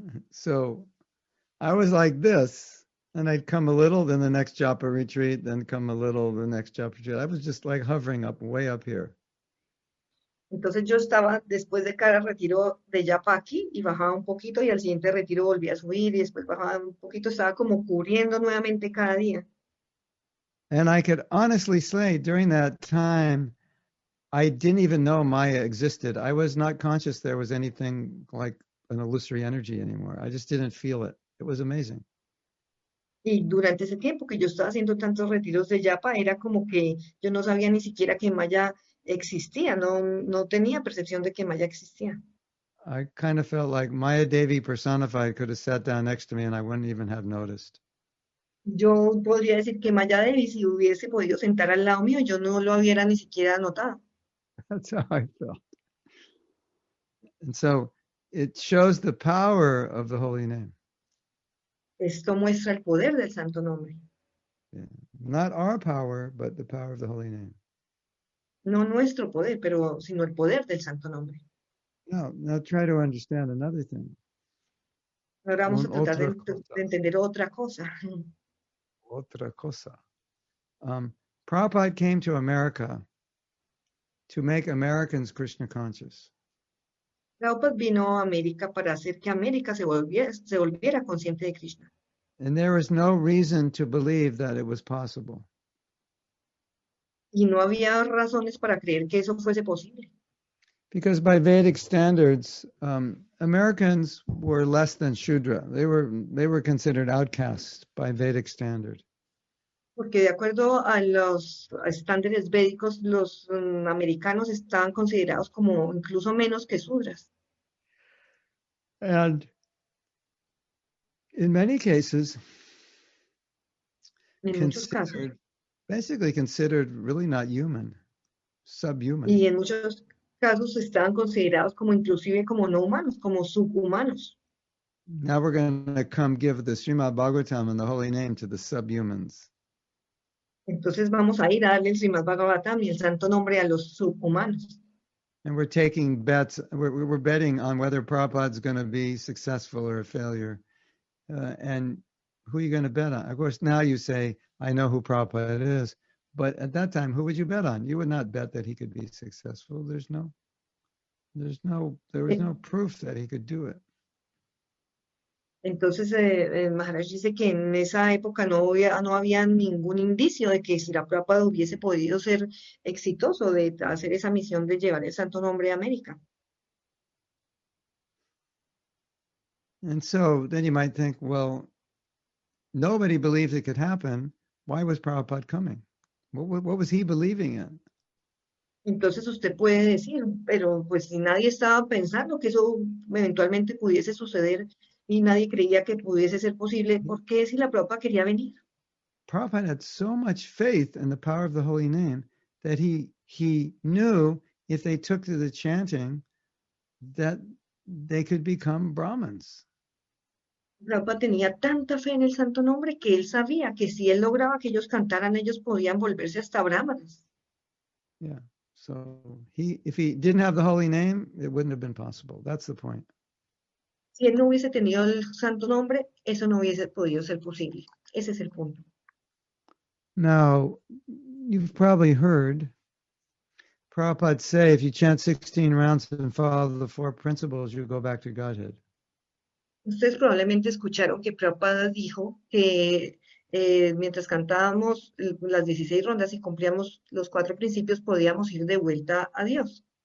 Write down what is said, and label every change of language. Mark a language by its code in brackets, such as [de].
[en] So I was like this, and I'd come a little, then the next japa retreat, then come a little, the next japa retreat. I was just like hovering up, way up here. [es] Entonces yo estaba después de cada retiro de japa aquí y bajaba un poquito y al siguiente retiro volvía a subir y después bajaba un poquito, estaba como cubriendo nuevamente cada día. [en] And I could honestly say during that time I didn't even know Maya existed. I was not conscious there was anything like an illusory energy anymore. I just didn't feel it. It was amazing. [es] Y durante ese tiempo que yo estaba haciendo tantos retiros de japa era como que yo no sabía ni siquiera que Maya existía, no tenía percepción de que Maya existía. [en] I kind of felt like Maya Devi personified could have sat down next to me and I wouldn't even have noticed. [es] Yo podría decir que Maya Devi si hubiese podido sentar al lado mío, yo no lo hubiera ni siquiera notado. [en] That's how I felt. And so it shows the power of the holy name. [es] Esto muestra el poder del santo nombre. [en] Yeah. Not our power, but the power of the holy name. [es] No nuestro poder, pero sino el poder del santo nombre. [en] Now try to understand another thing. [es] Ahora vamos a tratar de entender otra cosa. Otra cosa. [en] Prabhupada came to America to make Americans Krishna conscious. [es] Prabhupada vino a América para hacer que América se volviera consciente de Krishna. [en] And there was no reason to believe that it was possible. [es] Y no había razones para creer que eso fuese posible. [en] Because by Vedic standards, Americans were less than Shudra. They were considered outcasts by Vedic standard. [es] Porque de acuerdo a los estándares védicos, los americanos están considerados como incluso menos que Shudras. [en] And in many cases, considered really not human, subhuman. [es] Y en muchos casos estaban considerados como inclusive como no humanos, como subhumanos. [en] Now we're going to come give the Srimad Bhagavatam and the holy name to the subhumans. [es] Entonces vamos a ir a darle el Srimad Bhagavatam y el santo nombre a los subhumanos. [en] And we're taking bets, we're betting on whether Prabhupada's going to be successful or a failure. And who are you going to bet on? Of course, now you say, I know who Prabhupada is. But at that time, who would you bet on? You would not bet that he could be successful. There was no proof that he could do it. [es] Entonces, Maharaj dice que en esa época no había ningún indicio de que Srila Prabhupada hubiese podido ser exitoso de hacer esa misión de llevar el santo nombre a América. [en] And so then you might think, well, nobody believed it could happen. Why was Prabhupada coming? What was he believing in? [es] Entonces usted puede decir, pero pues si nadie estaba pensando que eso eventualmente pudiese suceder, y nadie creía que pudiese ser posible, ¿por qué si la Prabhupada quería venir? [en] Prabhupada had so much faith in the power of the holy name that he knew if they took to the chanting that they could become Brahmins. [es] Prabhupada tenía tanta fe en el santo nombre que él sabía que si él lograba que ellos cantaran, ellos podían volverse hasta Brahmins. [en] Yeah, so if he didn't have the holy name, it wouldn't have been possible. That's the point. [es] Si él no hubiese tenido el santo nombre, eso no hubiese podido ser posible. Ese es el punto. [en] Now, you've probably heard Prabhupada say, if you chant 16 rounds and follow the four principles, you go back to Godhead. [es] Ustedes probablemente escucharon que Prabhupada dijo que mientras cantábamos las 16 rondas y cumplíamos los cuatro principios, podíamos ir de vuelta a Dios.